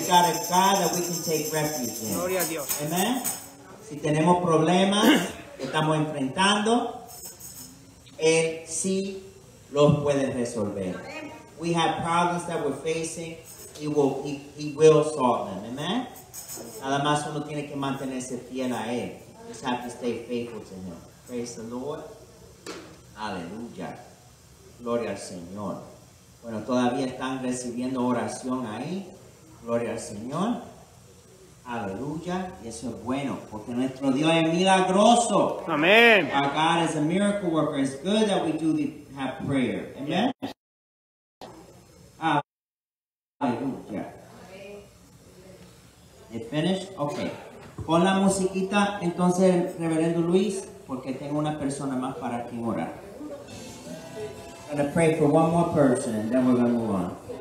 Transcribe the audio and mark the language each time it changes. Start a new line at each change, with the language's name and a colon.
English: We got a God that we can take refuge in.
Spanish: Gloria a Dios. Amén. Si tenemos problemas que estamos enfrentando, Él sí los puede resolver.
English: We have problems that we're facing, He will solve them.
Spanish: Amén. Nada más uno tiene que mantenerse fiel a Él.
English: Just have to stay faithful to Him. Praise the Lord. Aleluya.
Spanish: Gloria al Señor. Bueno, todavía están recibiendo oración ahí. Gloria al Señor. Aleluya. Y eso es bueno, porque nuestro Dios es milagroso. Amén.
English: Our God is a miracle worker. It's good that we do have prayer. Amén.
Spanish: Aleluya.
English: ¿Es finished? Okay.
Spanish: Pon la musiquita, entonces, Reverendo Luis, porque tengo una persona más para quien orar.
English: I'm going to pray for one more person, and then we're going to move on.